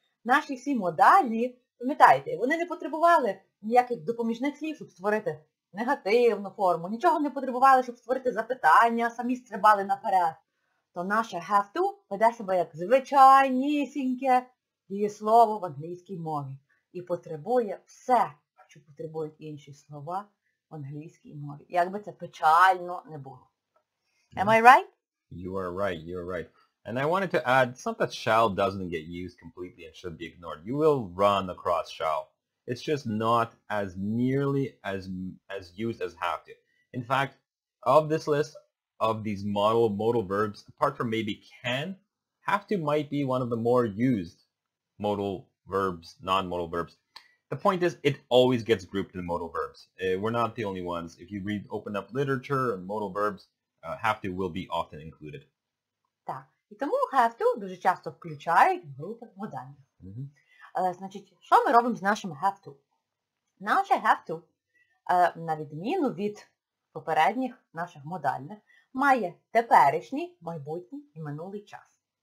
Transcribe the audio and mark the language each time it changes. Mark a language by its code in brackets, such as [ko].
[uk] Наші всі модальні, пам'ятаєте, вони не потребували ніяких допоміжних слів, щоб створити негативну форму, нічого не потребували, щоб створити запитання, самі стрибали наперед. То наше have to веде себе як звичайнісіньке дієслово в англійській мові. І потребує все, що потребують інші слова в англійській мові. Як би це печально не було. [en] Am I right? You are right, you are right. And I wanted to add, it's not that shall doesn't get used completely and should be ignored. You will run across shall. It's just not as nearly as used as have to. In fact, of this list of these modal verbs, apart from maybe can, have to might be one of the more used modal verbs, non-modal verbs. The point is, it always gets grouped in modal verbs. We're not the only ones. If you read, open up literature and modal verbs, have to will be often included. [uk] Так. І тому have to дуже часто включають в групи модальних. Значить, що ми робимо з нашим have to? Наше have to, на відміну від попередніх наших модальних, має теперішній, майбутній і минулий час.